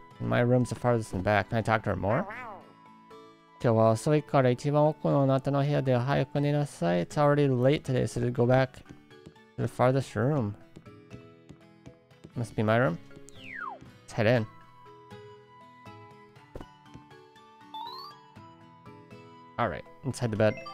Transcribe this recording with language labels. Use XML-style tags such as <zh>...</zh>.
<en>My room's the farthest in the back. Can I talk to her more?</en> <ja>今日は遅いから一番奥のあなたの部屋で早く寝なさい。</ja> <en>It's already late today, so go back to the farthest room. Must be my room. Let's head in. Alright, let's head to bed.</en>